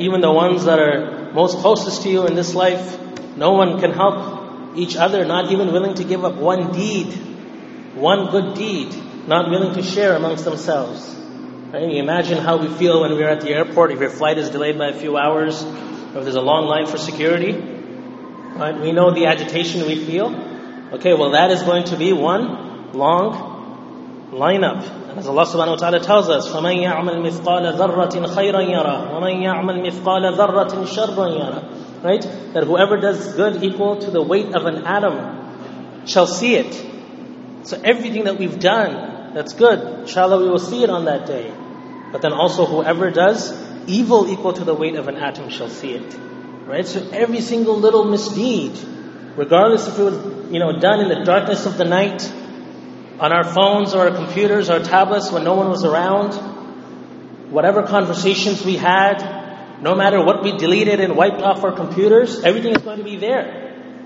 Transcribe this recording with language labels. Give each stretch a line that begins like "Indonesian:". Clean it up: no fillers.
English: Even the ones that are most closest to you in this life, no one can help each other, not even willing to give up one deed, one good deed, not willing to share amongst themselves. Right? You imagine how we feel when we're at the airport, if your flight is delayed by a few hours, or if there's a long line for security. Right? We know the agitation we feel. Okay, well that is going to be one long lineup. As Allah subhanahu wa ta'ala tells us,
Arabic: فَمَنْ يَعْمَلْ مِثْقَالَ ذَرَّةٍ خَيْرًا يَرَى وَمَنْ يَعْمَلْ مِثْقَالَ ذَرَّةٍ شَرًّا يَرَى.
English: Right? That whoever does good equal to the weight of an atom shall see it. So everything that we've done that's good, inshallah we will see it on that day. But then also whoever does evil equal to the weight of an atom shall see it. Right? So every single little misdeed, regardless if it was, you know, done in the darkness of the night, on our phones or our computers, our tablets when no one was around, whatever conversations we had, no matter what we deleted and wiped off our computers, everything is going to be there.